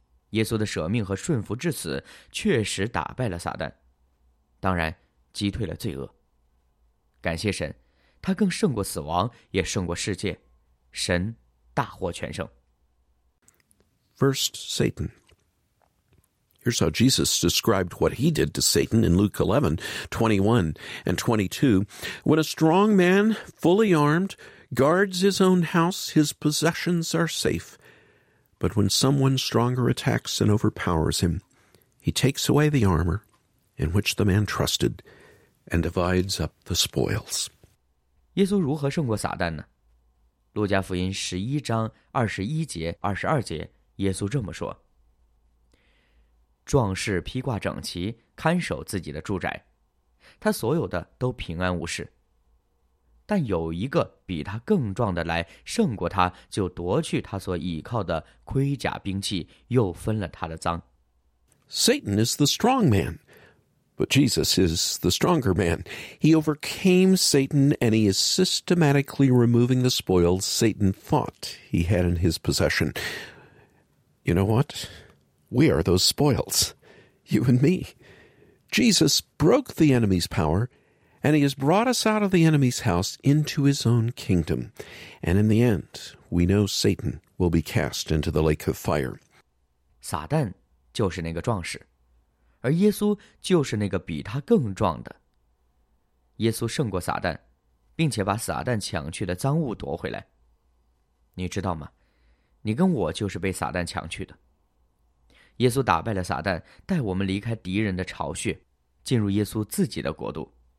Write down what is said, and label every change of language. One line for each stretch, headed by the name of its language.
Chinese: 耶稣的舍命和顺服至死确实打败了撒旦，当然击退了罪恶。感谢神，他更胜过死亡，也胜过世界，神大获全胜。
English: First Satan. Here's how Jesus described what he did to Satan in Luke 11, 21 and 22. When a strong man, fully armed, guards his own house, his possessions are safe. But when someone stronger attacks and overpowers him, he takes away the armor in which the man trusted and divides up the spoils.
Chinese: 耶稣如何胜过撒旦呢？路加福音十一章二十一节、二十二节，耶稣这么说。壮士披挂整齐，看守自己的住宅，他所有的都平安无事。但有一个比他更壮的来，胜过他，就夺去他所倚靠的盔甲兵器，又分了他的赃。
English: Satan is the strong man, but Jesus is the stronger man. He overcame Satan, and he is systematically removing the spoils Satan thought he had in his possession. You know what? We are those spoils, you and me. Jesus broke the enemy's power, and he has brought us out of the enemy's house into his own kingdom. And in the end, we know Satan will be cast into the lake of fire.
Chinese: 撒旦就是那个壮士，而耶稣就是那个比他更壮的。耶稣胜过撒旦，并且把撒旦抢去的赃物夺回来。你知道吗？你跟我就是被撒旦抢去的。耶稣打败了撒旦，带我们离开敌人的巢穴，进入耶稣自己的国度。